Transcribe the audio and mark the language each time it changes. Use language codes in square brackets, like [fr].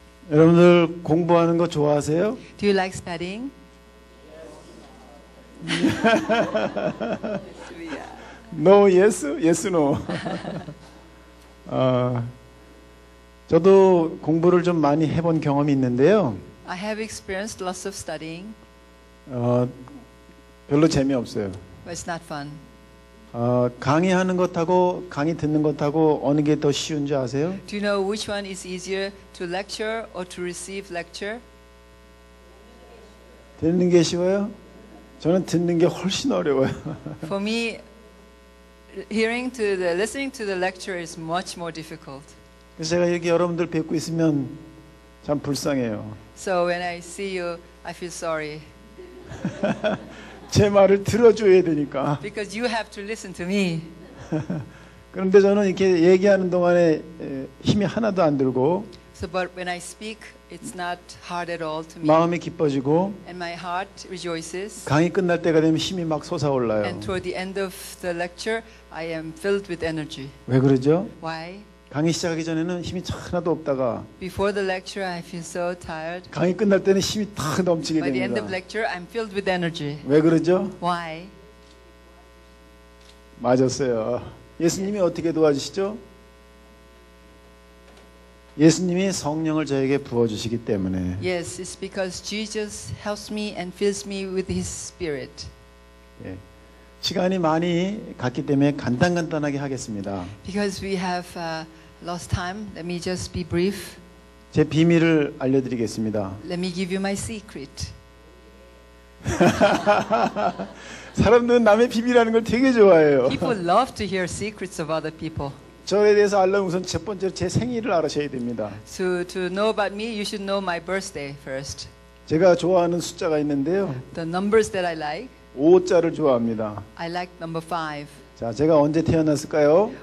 [ko] 여러분들 공부하는 거 좋아하세요? [en] Do you like studying? 노 예스 예스 노. [ko] 저도 공부를 좀 많이 해본 경험이 있는데요. [en] I have experienced lots of studying. [ko] 별로 재미없어요. [en] But it's not fun. [ko] 강의하는 것하고 강의 듣는 것하고 어느 게 더 쉬운 줄 아세요? [en] Do you know which one is easier to lecture or to receive lecture? [ko] 듣는 게 쉬워요? 저는 듣는 게 훨씬 어려워요. [en] For me, hearing to the listening to the lecture is much more difficult. [ko] 제가 여기 여러분들 뵙고 있으면 참 불쌍해요. [en] So when I see you, I feel sorry. [ko] 제 말을 들어줘야 되니까. [en] Because you have to listen to me. [ko] 그런데 저는 이렇게 얘기하는 동안에 힘이 하나도 안 들고. [en] So, but when I speak, it's not hard at all to me. [ko] 마음이 기뻐지고. [en] And my heart rejoices. [ko] 강의 끝날 때가 되면 힘이 막 솟아올라요. [en] And toward the end of the lecture, I am filled with energy. [ko] 왜 그러죠? [en] Why? [ko] 강의 시작하기 전에는 힘이 하나도 없다가 [en] Before the lecture, I feel so tired. [ko] 강의 끝날 때는 힘이 탁 넘치게 됩니다. [en] By the end of lecture, I'm filled with energy. [ko] 왜 그러죠? [en] Why? [ko] 맞았어요. 예수님이 어떻게 도와주시죠? 예수님이 성령을 저에게 부어주시기 때문에 [en] Yes, it's because Jesus helps me and fills me with his spirit. [ko] 예. 시간이 많이 갔기 때문에 간단간단하게 하겠습니다. [en] Because we have lost time, let me just be brief. [ko] 제 비밀을 알려드리겠습니다. [en] Let me give you my secret. [ko] 사람들은 남의 비밀이라는 걸 되게 좋아해요. [en] People love to hear secrets of other people. [ko] 저에 대해서 알려면 우선 첫 번째로 제 생일을 알아셔야 됩니다. [en] So to know about me, you should know my birthday first. [ko] 제가 좋아하는 숫자가 있는데요. [en] The numbers that I like. [ko] 5자를 좋아합니다. [en] I like number 5. [ko] 자, 제가 언제 태어났을까요?